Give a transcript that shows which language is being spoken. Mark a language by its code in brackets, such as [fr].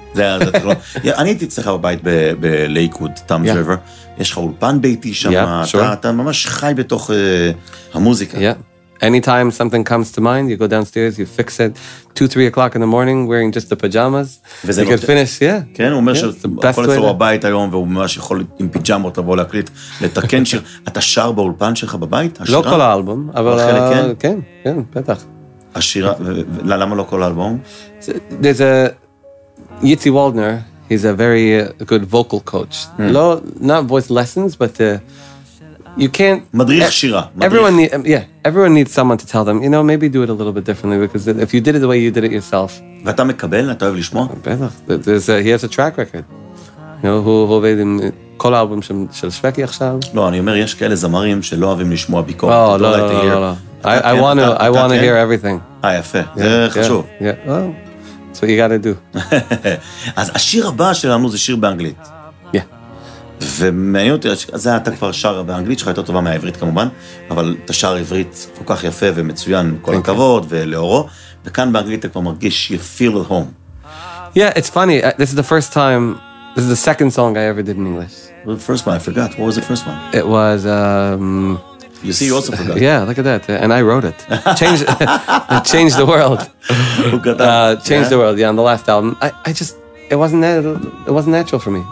[he] זה אני הייתי צריך בבית בלייקווד, טאם ג'רבר. יש לך אולפן ביתי שם, אתה ממש חי בתוך המוזיקה. [en] Anytime something comes to mind, you go downstairs, you fix it. 2-3 o'clock in the morning, wearing just the pajamas. You can finish, yeah. [he] כן, הוא אומר שכל אצלו הבית היום, והוא ממש יכול עם פיג'מות לבוא להקליט, לתקן שיר. אתה שר באולפן שלך בבית? לא כל האלבום, אבל... כן, כן, בטח. השירה, למה לא כל האלבום? [en] There's a... Yitzi Waldner, he's a very good vocal coach. [he] לא, [en] not voice lessons, but... You can't [he] מדריך שירה. [en] Everyone need, yeah, everyone needs someone to tell them, you know, maybe do it a little bit differently because if you did it the way you did it yourself. [he] ואתה מקבל, אתה אוהב לשמוע? בטח. [en] There's a, he has a track record. You know, [he] הוא עובד עם כל האלבום של שפקי עכשיו. לא, אני אומר, יש כאלה זמרים שלא אוהבים לשמוע ביקורת. [en] Oh, [he] לא, לא, לא, לא. [en] I want to hear everything. [he] אה, יפה. זה חשוב. [en] Yeah, well, that's what you gotta do. [he] אז השיר הבא שלנו זה שיר באנגלית. ומעניין אותי, זה אתה כבר שר באנגלית, שלך הייתה טובה מהעברית כמובן, אבל אתה שר עברית כל כך יפה ומצוין, כל הכבוד ולאורו, וכאן באנגלית אתה כבר מרגיש, [en] you feel at home. Yeah, it's funny, this is the first time, this is the second song I ever did in English. Well, the first one, I forgot, what was the first one? It was... You see, you also forgot. Yeah, look at that, and I wrote it. Changed the world. Changed the world, yeah, on the last album. It wasn't natural for me.